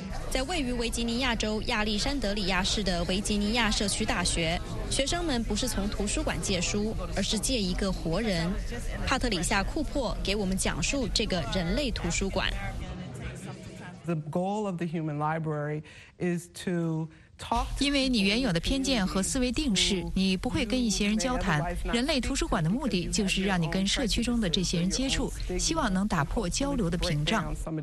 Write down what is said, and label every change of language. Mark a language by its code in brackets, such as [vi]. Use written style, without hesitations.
[zh] 在位于维吉尼亚州亚历山德里亚市的维吉尼亚社区大学，学生们不是从图书馆借书，而是借一个活人。帕特里夏·库珀给我们讲述这个人类图书馆。 [en] The goal of the human library is to talk. [zh] 因为你原有的偏见和思维定式，你不会跟一些人交谈。人类图书馆的目的就是让你跟社区中的这些人接触，希望能打破交流的屏障。